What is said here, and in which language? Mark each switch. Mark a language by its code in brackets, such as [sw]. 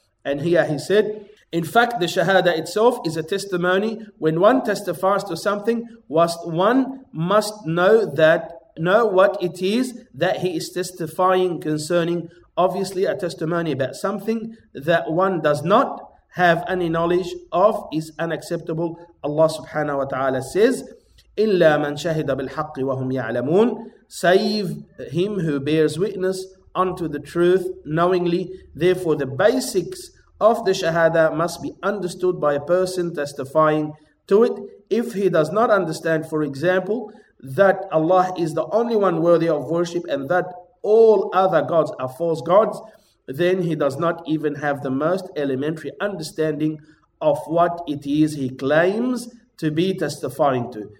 [en] And here he said, in fact, the shahada itself is a testimony when one testifies to something, whilst one must know what it is that he is testifying concerning. Obviously, a testimony about something that one does not have any knowledge of is unacceptable. Allah subhanahu wa ta'ala says, [ar] إِلَّا مَنْ شَهِدَ بِالْحَقِّ وَهُمْ يَعْلَمُونَ. [en] Save him who bears witness unto the truth knowingly. Therefore, the basics of the shahada must be understood by a person testifying to it. If he does not understand, for example, that Allah is the only one worthy of worship and that all other gods are false gods, then he does not even have the most elementary understanding of what it is he claims to be testifying to.